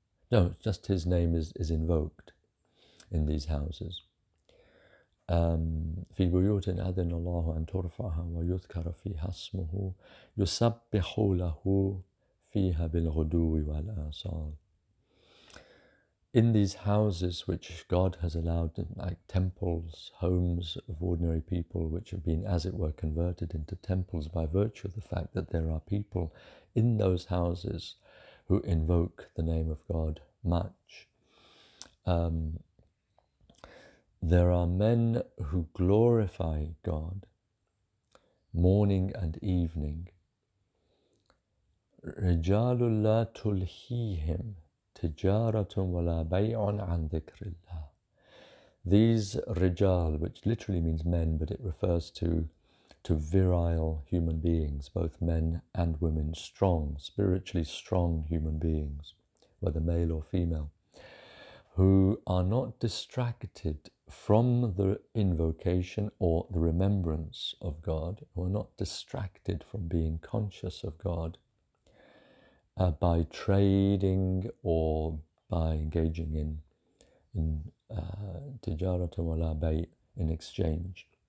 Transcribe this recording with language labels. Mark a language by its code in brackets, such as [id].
[en] No, just his name is invoked in these houses. [ar] في بيوت أذن الله أن ترفعها ويذكر فيها اسمه يسبح له فيها بالغدو والآصال. [en] In these houses which God has allowed, like temples, homes of ordinary people, which have been, as it were, converted into temples by virtue of the fact that there are people in those houses who invoke the name of God much. There are men who glorify God morning and evening. [ar] رجال لا تلهيهم تجارة ولا بيع عن ذكر الله. [en] These rijal, which literally means men, but it refers to virile human beings, both men and women, strong, spiritually strong human beings, whether male or female, who are not distracted from the invocation or the remembrance of God, who are not distracted from being conscious of God, by trading or by engaging in tijaratun wala bay', in exchange.